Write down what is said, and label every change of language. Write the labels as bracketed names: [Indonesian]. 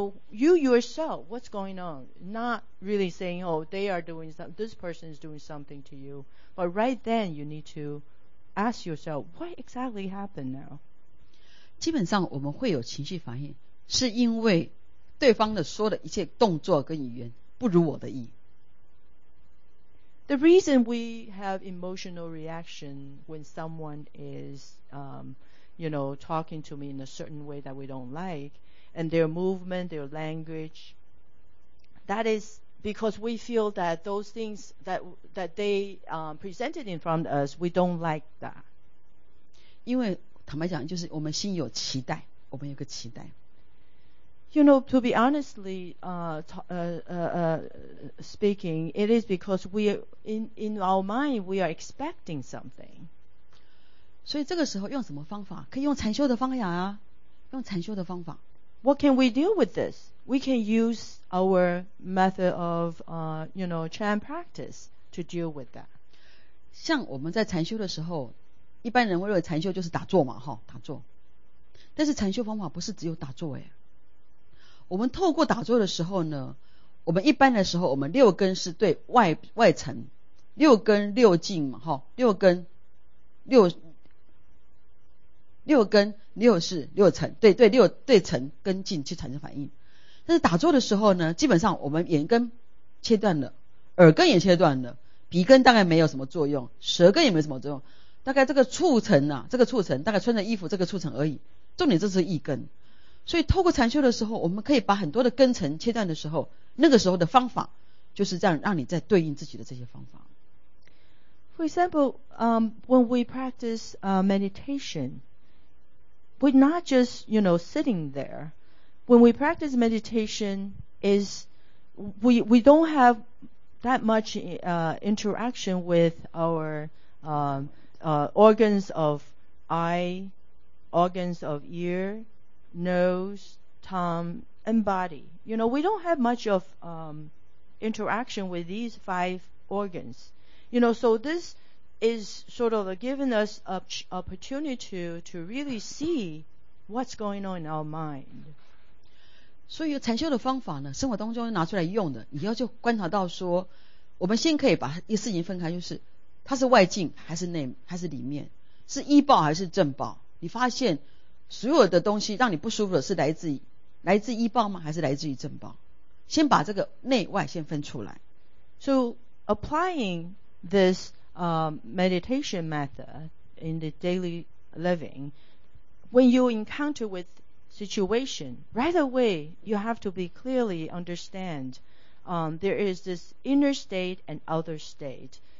[English] You ask yourself, what's going on? Not really saying, oh, they are doing something, this person is doing something to you. But right then, you need to ask yourself, what exactly happened now? [Chinese] 基本上我们会有情绪反应，是因为对方的说的一切动作跟语言不如我的意。 [English] The reason we have emotional reaction when someone is, you know, talking to me in a certain way that we don't like, and their movement, their language, that is because we feel that those things that they presented in front of us, we don't like that. [Chinese] 因为坦白讲，就是我们心有期待，我们有个期待。 [English] You know, to be honestly speaking, it is because we in our mind we are expecting something. [Chinese] 所以这个时候用什么方法？可以用禅修的方法啊，用禅修的方法。 [English] What can we deal with this? We can use our method of Chan practice to deal with that. [Chinese] 像我们在禅修的时候，一般人会认为禅修就是打坐嘛，哈，打坐。但是禅修方法不是只有打坐哎。我们透过打坐的时候呢，我们一般的时候我们六根是对外层，六根六境嘛，齁，六根六识六层，对六对层跟境去产生反应。但是打坐的时候呢，基本上我们眼根切断了，耳根也切断了，鼻根大概没有什么作用，舌根也没什么作用，大概这个触尘啊，这个触尘大概穿着衣服这个触尘而已，重点这是意根。所以透过禅修的时候，我们可以把很多的根尘切断的时候，那个时候的方法就是这样，让你在对应自己的这些方法。 [English] For example, when we practice meditation, we're not just sitting there. When we practice meditation, is we don't have that much interaction with our organs of eye, organs of ear. Nose, tongue, and body. You know, we don't have much of interaction with these five organs. You know, so this is sort of giving us an opportunity to really see what's going on in our mind. [Chinese] 所以禅修的方法呢，生活当中拿出来用的，以后就观察到说，我们先可以把一个事情分开，就是它是外境还是内还是里面，是依报还是正报。你发现所有的东西让你不舒服的是来自依报吗？还是来自于正报？先把这个内外先分出来。 [English] So applying this meditation method in the daily living, when you encounter with situation, right away you have to be clearly understand there is this inner state and outer state.